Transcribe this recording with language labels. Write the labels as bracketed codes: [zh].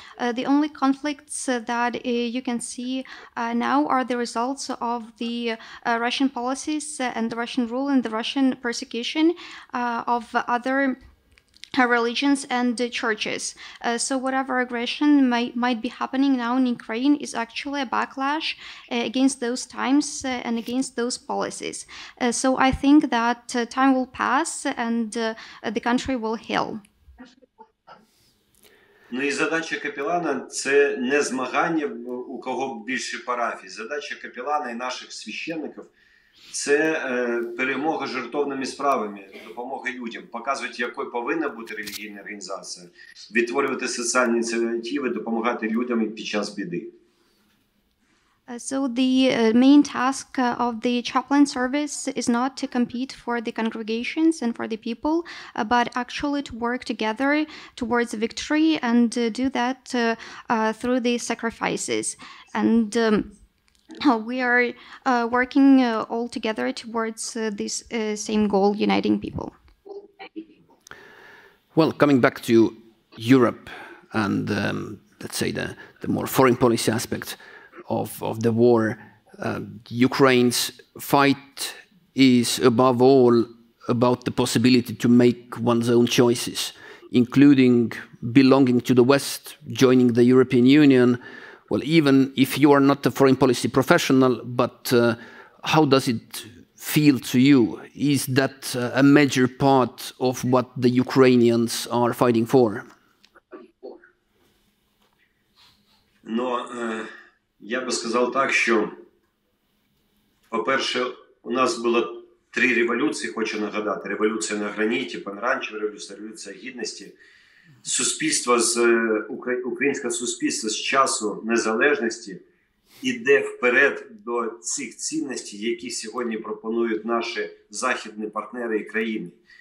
[en] The only conflicts that you can see now are the results of the Russian policies and the Russian rule and the Russian persecution of other religions and churches. So whatever aggression might be happening now in Ukraine is actually a backlash against those times and against those policies. So I think that time will pass and the country will heal. [uk] Ну і задача капелана – це не змагання, у кого більше парафій. Задача капелана і наших священників – це перемога жертовними справами, допомога людям, показувати, якою повинна бути релігійна організація, відтворювати соціальні ініціативи, допомагати людям під час біди. [en] So the main task of the chaplain service is not to compete for the congregations and for the people, but actually to work together towards victory and do that through the sacrifices. And we are working all together towards this same goal, uniting people. Well, coming back to Europe and let's say the more foreign policy aspect of the war, Ukraine's fight is above all about the possibility to make one's own choices, including belonging to the West, joining the European Union. Well, even if you are not a foreign policy professional, but how does it feel to you? Is that a major part of what the Ukrainians are fighting for? [uk] Ну, я би сказав так, що, по-перше, у нас було три революції, хочу нагадати. Революція на граніті, помаранчева революція, революція гідності. Суспільство з українське суспільство з часу незалежності іде вперед до цих цінностей, які сьогодні пропонують наші західні партнери і країни.